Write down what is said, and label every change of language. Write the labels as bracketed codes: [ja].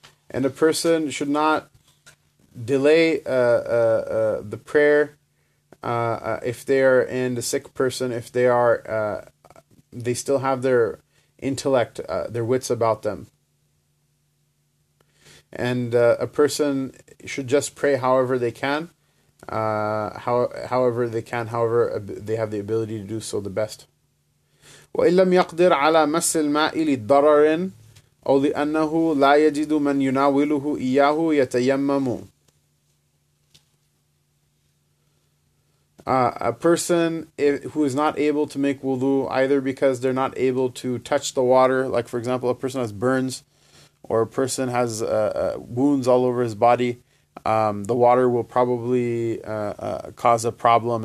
[en] And a person should not delay the prayer if they are in the sick person, if they are, they still have their intellect, their wits about them. And a person should just pray however they can, however they have the ability to do so the best. [ar] وَإِن لَمْ يَقْدِرْ عَلَى مَسِّ الْمَاءِ لِلضَّرَرٍ أو لأنه لا يجد من يناوله إياه يتيمم. [en] A person who is not able to make wudu, either because they're not able to touch the water, like for example, a person has burns, or a person has wounds all over his body, the water will probably cause a problem.